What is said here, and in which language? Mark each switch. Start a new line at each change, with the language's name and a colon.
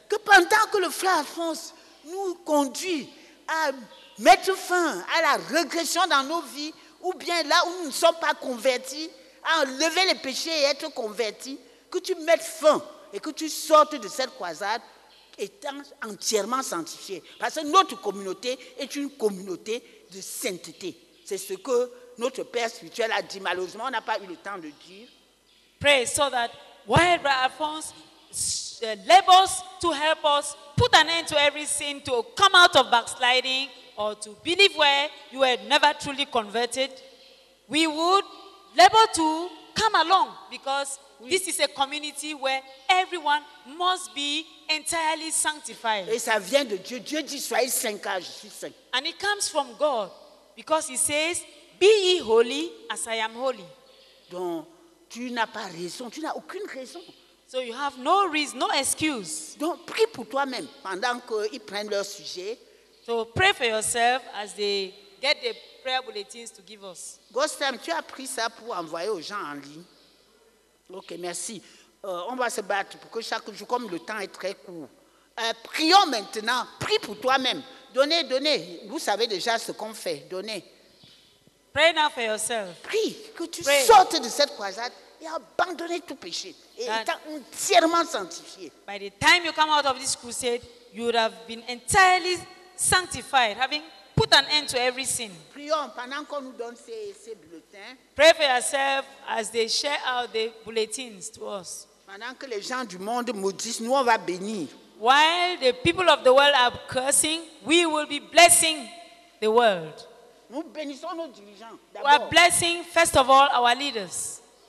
French: Que pendant que le frère Alphonse nous conduit à mettre fin à la régression dans nos vies, ou bien là où nous ne sommes pas convertis, à enlever les péchés et être convertis, que tu mettes fin et que tu sortes de cette croisade étant entièrement sanctifié. Parce que notre communauté est une communauté de sainteté. C'est ce que notre Père spirituel a dit. Malheureusement, on n'a pas eu le temps de dire.
English: Pray so that while Brother Alphonse labors to help us put an end to every sin, to come out of backsliding, or to believe where you were never truly converted, we would labor to come along because this is a community where everyone must be entirely sanctified.
French: Et ça vient de Dieu. Dieu dit, soyez saints car je suis saint.
English: And it comes from God because he says, be ye holy as I am holy.
French: Donc, tu n'as pas raison, tu n'as aucune raison.
English: So you have no reason, no excuse.
French: Donc, prie pour toi-même pendant qu'ils prennent leur sujet.
English: So pray for yourself as they get the prayer bulletins to give us.
French: Gostam, tu as pris ça pour envoyer aux gens en ligne. Ok, merci. On va se battre pour que chaque jour, comme le temps est très court. Prions maintenant. Prie pour toi-même. Donnez, donnez. Vous savez déjà ce qu'on fait. Donnez.
English: Pray now for yourself.
French: Prie que tu
English: pray.
French: Sortes de cette croisade et abandonne tout péché. Et that étant entièrement sanctifié.
English: By the time you come out of this crusade, you would have been entirely sanctified, having put an end to every sin.
French: Prions pendant qu'on nous donne ces bulletins.
English: Pray for yourself as they share out the bulletins to us.
French: Pendant que les gens du monde maudissent, nous on va bénir.
English: While the people of the world are cursing, we will be blessing the world.
French: Nous bénissons nos dirigeants. D'abord.
English: We are blessing first of all our leaders.